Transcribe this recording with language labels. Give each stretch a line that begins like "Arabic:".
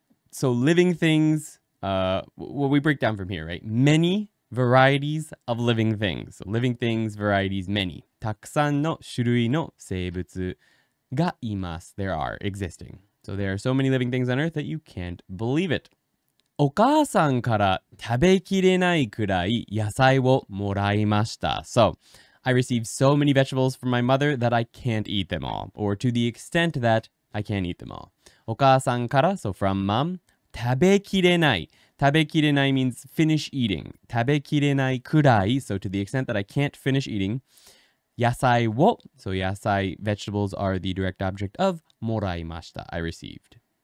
English: So living things, what we break down from here, right? Many varieties of living things. So living things, varieties, many.
Japanese: Takusan no shurui no seibutsu ga imasu.
English: There are existing. So there are so many living things on Earth that you can't believe it.
Japanese: お母さんから食べきれないくらい野菜をもらいました。
English: So, I received so many vegetables from my mother that I can't eat them all. Or to the extent that I can't eat them all.
Japanese: お母さんから、
English: so from mom,
Japanese: 食べきれない。食べきれない
English: means finish eating.
Japanese: 食べきれないくらい、
English: so to the extent that I can't finish eating. 野菜を、so 野菜 vegetables are the direct object of
Japanese: もらいました。
English: I received.